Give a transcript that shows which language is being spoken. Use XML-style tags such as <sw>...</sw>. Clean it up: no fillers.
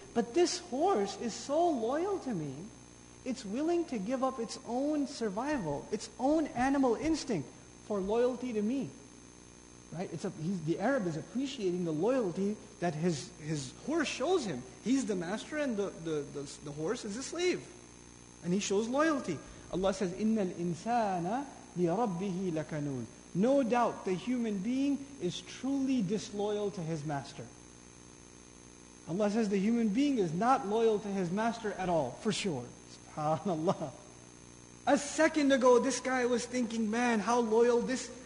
<en>But this horse is so loyal to me, it's willing to give up its own survival, its own animal instinct for loyalty to me. Right? The Arab is appreciating the loyalty that his horse shows him. He's the master and the horse is a slave. And he shows loyalty. Allah says,</en> <ar>إِنَّ الْإِنسَانَ لِرَبِّهِ لَكَنُونَ.</ar> <en>No doubt the human being is truly disloyal to his master. Allah says the human being is not loyal to his master at all, for sure. SubhanAllah. A second ago this guy was thinking, man, how loyal this...</en>